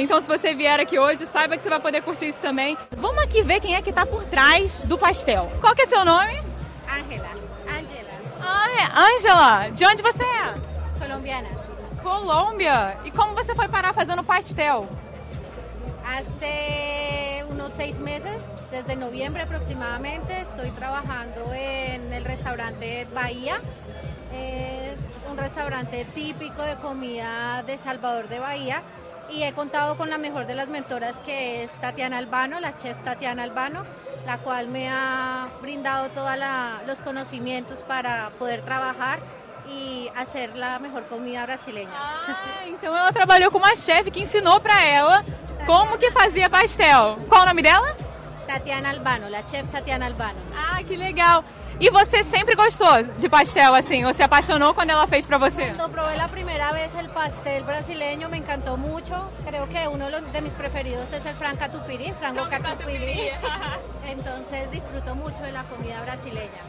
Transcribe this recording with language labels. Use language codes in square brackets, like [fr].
[pt] Então, se você vier aqui hoje, saiba que você vai poder curtir isso também. Vamos aqui ver quem é que tá por trás do pastel. Qual que é seu nome? Ângela. Ângela. Ah, é Ângela. De onde você é? Colombiana. Colômbia. E como você foi parar fazendo pastel? Há uns 6 meses. [es] Desde noviembre aproximadamente estoy trabajando en el restaurante Bahía. Es un restaurante típico de comida de Salvador de Bahía y he contado con la mejor de las mentoras, que es Tatiana Albano, la chef Tatiana Albano, la cual me ha brindado todos los conocimientos para poder trabajar y hacer la mejor comida brasileña. Ah, entonces ella trabajó con una chef que enseñó para ella cómo que hacía pastel. ¿Cuál es el nombre de ella? Tatiana Albano, la chef Tatiana Albano. [pt] Ah, que legal! E você sempre gostou de pastel, assim? Ou se apaixonou quando ela fez pra você? Quando provei a primeira vez o pastel brasileiro, me encantou muito. [es] Creo que um de mis preferidos é o frango catupiry. [pt] Frango catupiry. Então, disfruto muito da comida brasileira.